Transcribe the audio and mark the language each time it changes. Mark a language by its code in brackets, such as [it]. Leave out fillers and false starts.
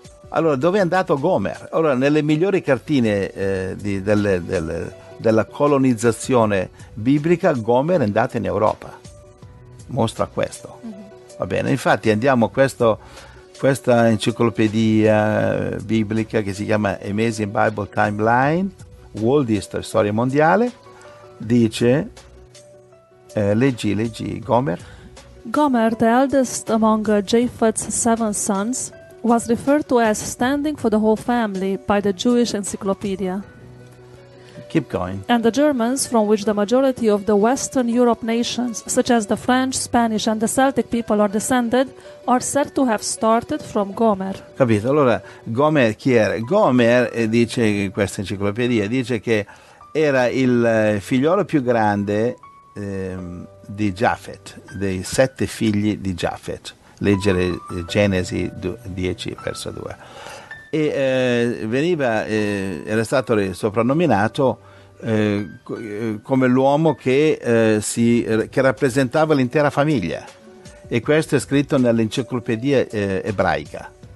[it] Allora, dove è andato Gomer? Allora, nelle migliori cartine della colonizzazione biblica, Gomer è andato in Europa. Mostra questo. Va bene, infatti andiamo a questa enciclopedia biblica che si chiama Amazing Bible Timeline, World History, Storia Mondiale, dice, leggi, Gomer. [en] Gomer, the eldest among Japheth's seven sons, was referred to as standing for the whole family by the Jewish encyclopedia. Keep going. And the Germans, from which the majority of the Western Europe nations, such as the French, Spanish and the Celtic people are descended, are said to have started from Gomer. [it] Capito? Allora, Gomer chi era? Gomer, dice questa enciclopedia, dice che era il figliolo più grande di Jafet, dei sette figli di Jafet. Leggere Genesi 10 verso 2 e era stato soprannominato come l'uomo che rappresentava l'intera famiglia e questo è scritto nell'enciclopedia ebraica